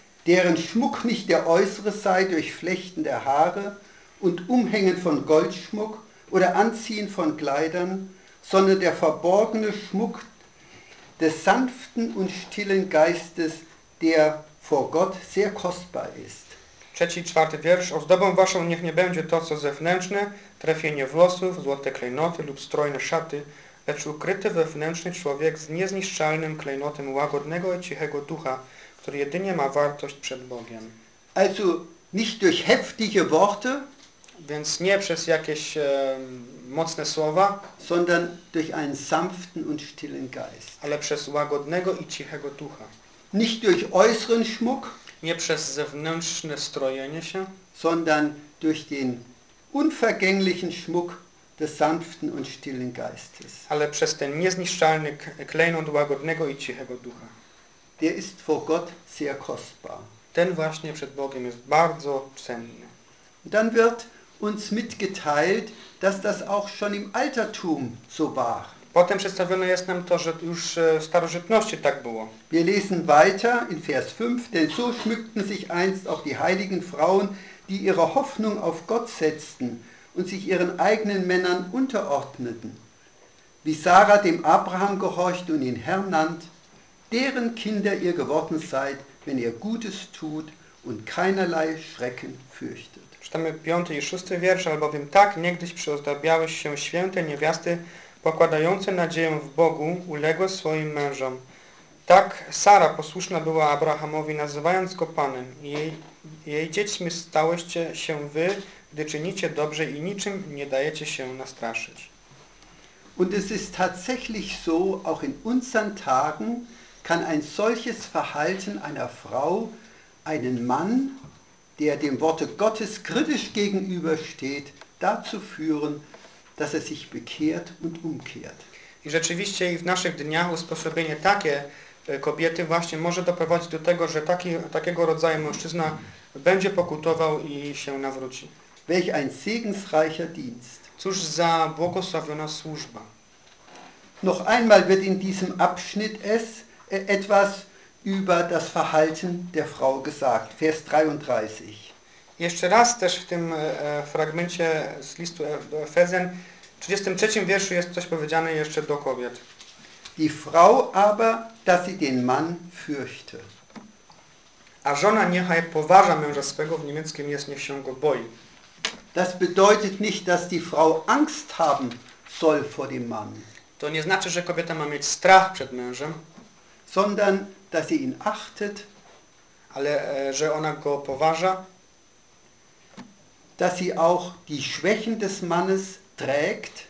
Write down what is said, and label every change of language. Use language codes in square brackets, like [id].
[de] Deren Schmuck nicht der äußere sei durch Flechten der Haare und Umhängen von Goldschmuck oder Anziehen von Kleidern, sondern der verborgene Schmuck des sanften und stillen Geistes, der vor Gott sehr kostbar ist. [pl] Trzeci, czwarty wiersz. Ozdobą waszą niech nie będzie to, co zewnętrzne, trefienie włosów, złote klejnoty lub strojne szaty, lecz ukryty wewnętrzny człowiek z niezniszczalnym klejnotem łagodnego i cichego ducha, który jedynie ma wartość przed Bogiem. [de] Also nicht durch heftige Worte, [pl] więc nie przez jakieś mocne słowa, [de] sondern durch einen sanften und stillen Geist. [pl] Ale przez łagodnego i cichego ducha. [de] Nicht durch äußeren Schmuck, [pl] nie przez zewnętrzne strojenie się, [de] sondern durch den unvergänglichen Schmuck des sanften und stillen Geistes. [pl] Ale przez ten niezniszczalny klejnot łagodnego i cichego ducha. [de] Der ist vor Gott sehr kostbar. [pl] Ten właśnie przed Bogiem jest bardzo cenny. [de] Dann wird uns mitgeteilt, dass das auch schon im Altertum so war. [pl] Potem przedstawione jest nam to, że już w starożytności tak było. [de] Wir lesen weiter in Vers 5, denn so schmückten sich einst auch die heiligen Frauen, die ihre Hoffnung auf Gott setzten und sich ihren eigenen Männern unterordneten. Wie Sarah dem Abraham gehorcht und ihn Herr nannt, deren Kinder ihr geworden seid, wenn ihr Gutes tut und keinerlei Schrecken fürchtet. [pl] Czytamy piąty i szósty wiersz, albowiem tak niegdyś przyozdabiały się święte niewiasty, pokładające nadzieję w Bogu, uległe swoim mężom. Tak Sara posłuszna była Abrahamowi, nazywając go Panem. Jej dziećmi stałyście się wy, gdy czynicie dobrze i niczym nie dajecie się nastraszyć. [de] Und es ist tatsächlich so, auch in unseren Tagen kann ein solches Verhalten einer Frau einen Mann, der dem Worte Gottes kritisch gegenübersteht, dazu führen, dass er sich bekehrt und umkehrt. [pl] I rzeczywiście i w naszych dniach usposobienie takie kobiety właśnie może doprowadzić do tego, że takiego rodzaju mężczyzna będzie pokutował i się nawróci. [de] Welch ein segensreicher Dienst. [pl] Cóż za błogosławiona służba. [de] Noch einmal wird in diesem Abschnitt es etwas über das Verhalten der Frau gesagt. Vers 33. [pl] Jeszcze raz też w tym fragmencie z listu do Efezjan, w 33 wierszu jest coś powiedziane jeszcze do kobiet. [de] Die Frau aber, dass sie den Mann fürchte. [pl] A żona niechaj poważa męża swego, w niemieckim jest niech się go boi. [de] Das bedeutet nicht, dass die Frau Angst haben soll vor dem Mann. [pl] To nie znaczy, że kobieta ma mieć strach przed mężem, [de] sondern dass sie ihn achtet, [pl] ale że ona go poważa, [de] dass sie auch die Schwächen des Mannes trägt,